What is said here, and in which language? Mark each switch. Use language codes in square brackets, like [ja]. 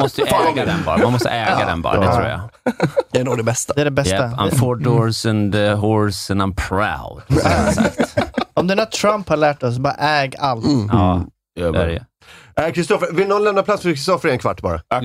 [sv] Man måste äga den bara, det tror jag. Det är nog det bästa. Det är det bästa. [en] Yep, I'm 4 doors and horse and I'm proud. [sv] Om den här Trump har lärt oss, bara äg allt. Mm. Ja. Ja, Kristoffer, vill någon lämna plats för Kristoffer i en kvart bara?